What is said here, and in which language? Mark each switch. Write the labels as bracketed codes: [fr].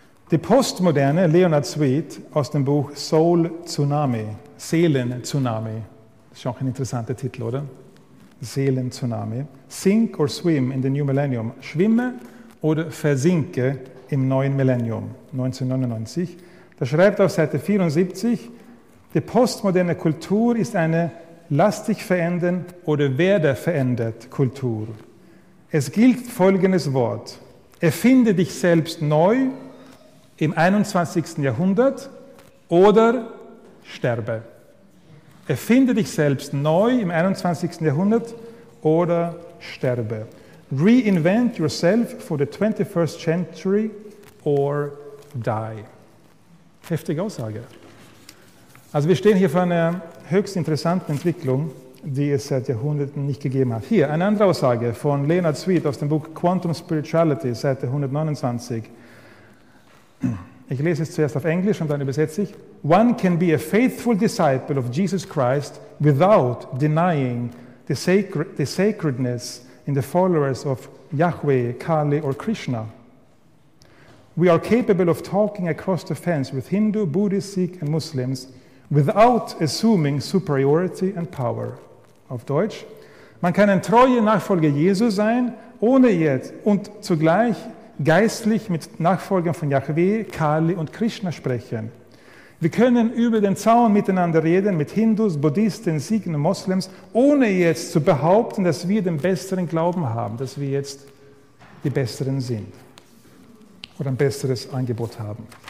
[de] Die Postmoderne, Leonard Sweet, aus dem Buch Soul Tsunami, Seelen-Tsunami, das ist auch ein interessanter Titel, oder? Seelen-Tsunami. [en] Sink or swim in the new millennium. [de] Schwimme oder versinke im neuen Millennium, 1999. Da schreibt auf Seite 74, die postmoderne Kultur ist eine lass dich verändern oder werde verändert Kultur. Es gilt folgendes Wort, erfinde dich selbst neu im 21. Jahrhundert oder sterbe. Erfinde dich selbst neu im 21. Jahrhundert oder sterbe. [en] Reinvent yourself for the 21st century or die. [de] Heftige Aussage. Also wir stehen hier vor einer höchst interessanten Entwicklung, die es seit Jahrhunderten nicht gegeben hat. Hier eine andere Aussage von Leonard Sweet aus dem Buch Quantum Spirituality, Seite 129. Ich lese es zuerst auf Englisch und dann übersetze ich. [en] One can be a faithful disciple of Jesus Christ without denying the sacredness in the followers of Yahweh, Kali or Krishna. We are capable of talking across the fence with Hindu, Buddhist, Sikh and Muslims without assuming superiority and power. [de] Auf Deutsch. Man kann ein treuer Nachfolger Jesu sein, ohne jetzt und zugleich geistlich mit Nachfolgern von Yahweh, Kali und Krishna sprechen. Wir können über den Zaun miteinander reden, mit Hindus, Buddhisten, Sikhen und Moslems, ohne jetzt zu behaupten, dass wir den besseren Glauben haben, dass wir jetzt die Besseren sind oder ein besseres Angebot haben.